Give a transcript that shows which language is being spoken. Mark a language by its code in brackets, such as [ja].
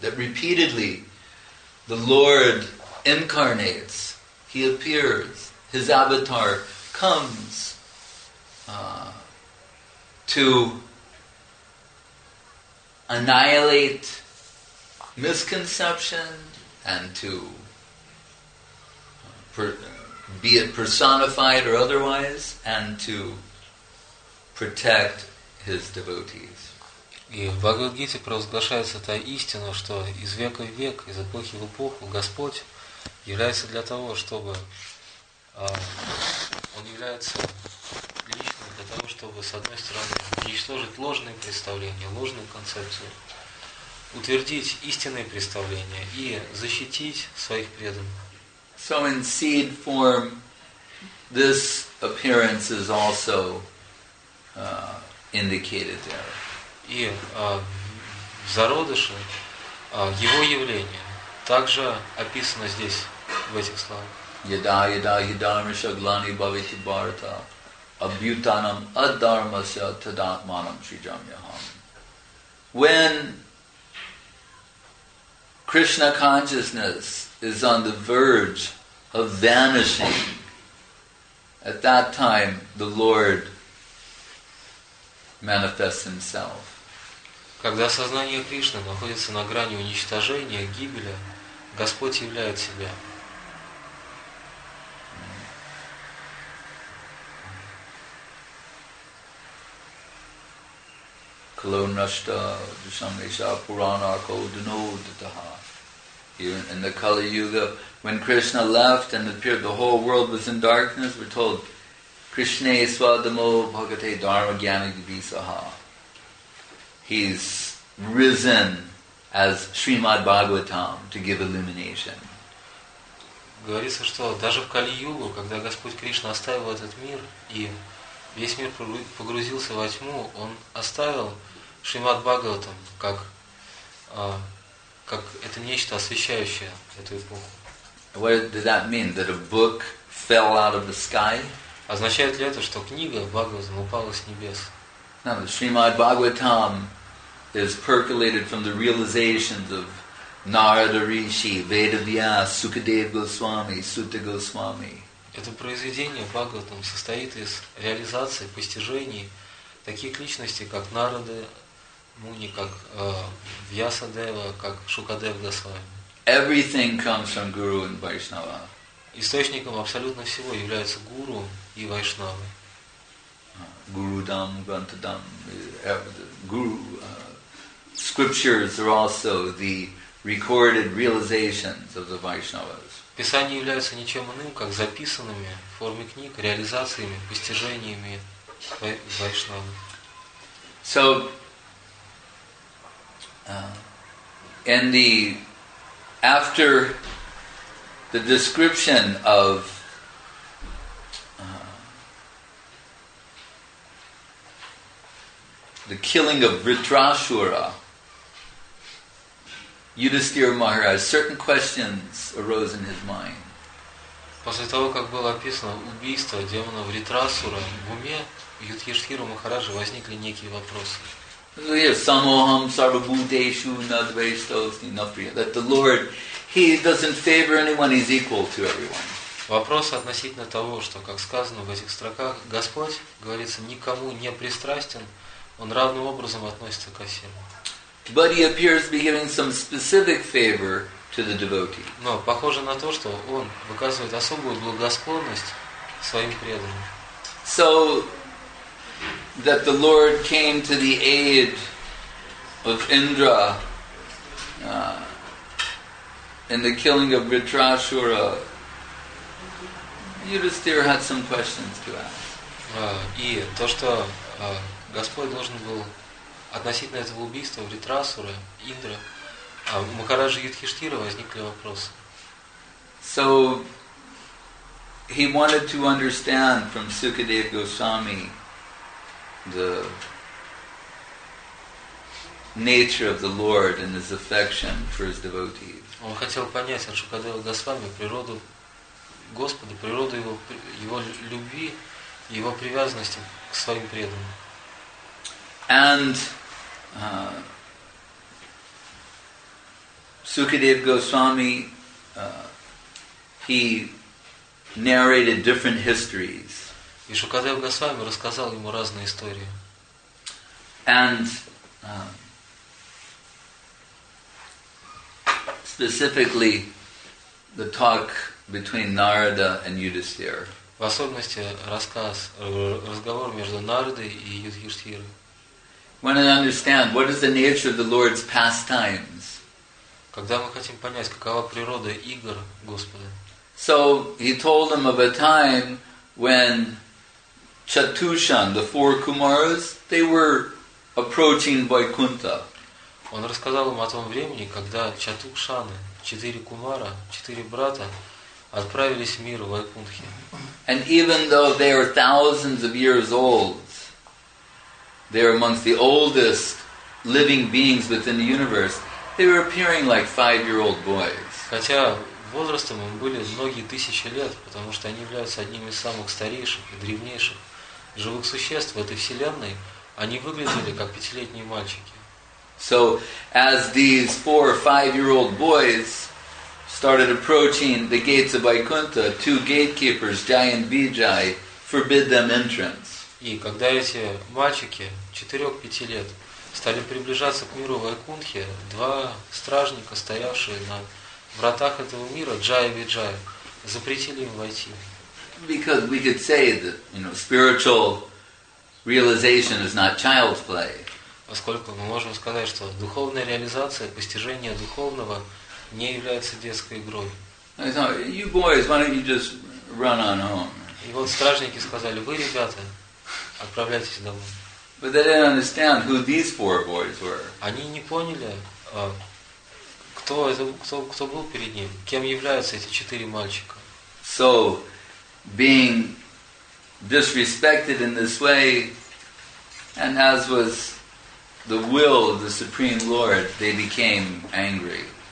[en] That repeatedly the Lord incarnates, he appears, his avatar comes to annihilate misconception and to be it personified or otherwise and to protect his devotees. [ru] И в Бхагавад-гите провозглашается та истина, что из века в век, из эпохи в эпоху, Господь является для того, чтобы Он является личным для того, чтобы, с одной стороны, уничтожить ложные представления, ложную концепцию, утвердить истинные представления и защитить своих преданных. [en] So in seed form, this appearance is also indicated there. [ru] И в зародыше его явление также описано здесь, в этих словах. [sa] Yada yada hidarmasya glani bhaviti bharata abhyutanam adharmasya tadatmanam shijamyaham. [en] When Krishna consciousness is on the verge of vanishing, at that time the Lord manifests himself. [ru] Когда сознание Кришны находится на грани уничтожения, гибели, Господь являет себя. [sa] Kalonashta Dushamesha Purana Kodano Dataha. [en] Even in the Kali Yuga, when Krishna left and appeared, the whole world was in darkness, we're told [sa] Krishna Swadamo Bhagate Dharma Gyani Divisaha. [en] He's risen as Srimad Bhagavatam to give illumination. [ru] Говорится, что даже в Кали-Югу, когда Господь Кришна оставил этот мир и весь мир погрузился во тьму, Он оставил Шримад Бхагаватам как это нечто освещающее эту эпоху. [en] What did that mean? That a book fell out of the sky? [ru] Означает ли это, что книга Бхагаватам упала с небес? [en] No, the Srimad Bhagavatam is percolated from the realizations of Narada Rishi, Veda Vyas, Sukadeva Goswami, Sutta Goswami. [ru] Это произведение Бхагаватам состоит из реализации постижений таких личностей, как Нарада Муни, как Вьясадева, как Шукадев Госвами. [en] Everything comes from Guru and Vaishnava. [ru] Источником абсолютно всего являются Гуру и Вайшнавы. [en] Guru Dham, Granta Dham, Guru, scriptures are also the recorded realizations of the Vaishnavas. [ru] Писания являются ничем иным, как записанными в форме книг, реализациями, постижениями Вайшнавы. [en] So, and the after the description of the killing of Dhritarashtra, Yudhisthira Maharaj, certain questions arose in his mind. [ru] После того, как было описано убийство демона Дхритарасура, в уме Юдхиштхиры Махараджа возникли некие вопросы. [sa] Samoham sarvabhuteshu na dveshtosti na priya. [en] That the Lord, He doesn't favor anyone, He's equal to everyone. [ru] Вопрос относительно того, что, как сказано в этих строках, Господь, говорится, никому не пристрастен, Он равным образом относится ко всем. [en] But He appears to be giving some specific favor to the devotee. [ru] Но похоже на то, что Он выказывает особую благосклонность своим преданным. [en] So, that the Lord came to the aid of Indra in the killing of Dhritarashtra, Yudhisthira had some questions to ask. [ru] И то, что Господь должен был относительно этого убийства Дхритарасуры, Индра, Махараджа Юдхиштхира возникли вопросы. [en] So, he wanted to understand from Sukadeva Goswami the nature of the Lord and His affection for His devotees. [ru] Он хотел понять от Шукадева Госвами природу Господа, природу его любви, его привязанности к своим преданным. [en] And Sukadeva Goswami, he narrated different histories. [ru] И Шукадев Госвами рассказал ему разные истории. [en] And specifically the talk between Narada and Yudhisthira. [ru] В особенности рассказ, разговор между Нарадой и Юдхиштхирой. [en] When I understand what is the nature of the Lord's pastimes. [ru] Когда мы хотим понять, какова природа игр Господа. [en] So he told him of a time when Chatushan, the four Kumaras, they were approaching Vaikuntha. [ru] Он рассказал им о том времени, когда Чатукшаны, четыре кумара, четыре брата, отправились в мир Вайкунтхи. [en] And even though they are thousands of years old, they are amongst the oldest living beings within the universe, they were appearing like five-year-old boys. [ru] Хотя возрастом им были многие тысячи лет, потому что они являются одними из самых старейших и древнейших живых существ в этой вселенной, они выглядели как пятилетние мальчики. [en] So, as these four or five-year-old boys started approaching the gates of Vaikuntha, two gatekeepers, Jai and Vijay, forbid them entrance. [ru] И когда эти мальчики 4-5 лет стали приближаться к миру Вайкунтхи, два стражника, стоявшие на вратах этого мира, Джай и Виджай, запретили им войти. [en] Because we could say that, you know, spiritual realization is not child's play. [ru] Поскольку мы можем сказать, что духовная реализация, постижение духовного не является детской игрой. [en] I thought, you boys, why don't you just run on home? [ru] И вот стражники сказали, вы, ребята, отправляйтесь домой. [en] But they didn't understand who these four boys were. [ru] Они не поняли, кто был перед ним, кем являются эти четыре мальчика. [en] So, being disrespected in this way, and as was the will of the Supreme Lord, they became angry.